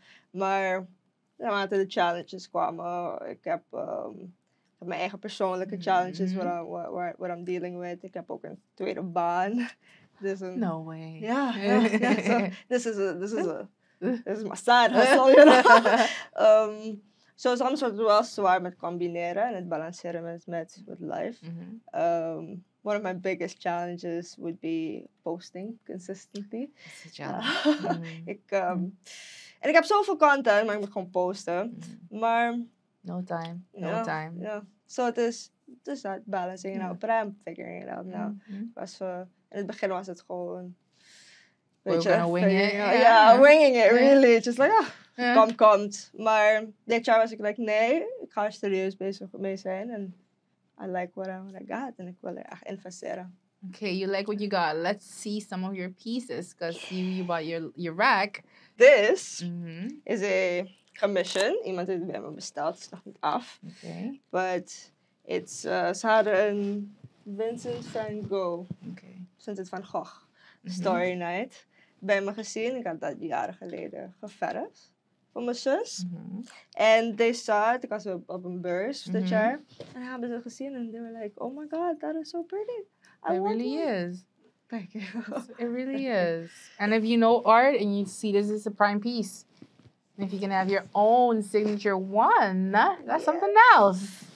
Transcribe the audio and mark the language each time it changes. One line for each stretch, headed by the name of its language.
Dutch: Maar naarmate de challenges kwamen. Ik heb mijn eigen persoonlijke challenges. Waar
English: I'm dealing with.
Dutch: Ik heb ook een tweede baan.
English: No way. This is my sad hustle.
Dutch: So soms wordt het wel zwaar met combineren en het balanceren met life. Mm-hmm.
English: One of my biggest challenges would be posting consistently. Challenge.
Dutch: ik heb zoveel content, maar ik moet gewoon posten. Mm-hmm. Maar
English: No time. Yeah. So it is that balancing out, but I'm figuring it out now. Mm-hmm.
Dutch: In het begin was het gewoon...
English: We're gonna wing it, really. Just like, komt.
Dutch: Maar dit jaar was ik like, nee, ik ga serieus bezig mee zijn.
English: And I like what I got.
Dutch: En ik wil er echt investeren.
English: Okay, you like what you got. Let's see some of your pieces. Because you bought your rack. This is a commission.
Dutch: Iemand heeft bij me besteld. Het is nog niet af.
English: Okay. But it's...
Dutch: ze hadden een Vincent van Gogh.
English: Okay.
Dutch: Sinds het Van Gogh, Story Night, bij me gezien. Ik had dat jaren geleden geverfd voor mijn zus. En
English: they saw it,
Dutch: ik was op een beurs dit jaar. En hebben ze gezien en
English: they were like, oh my god, that is so pretty. It really is. Thank you. It really is. And if you know art and you see this is a prime piece, and if you can have your own signature one, that's something else.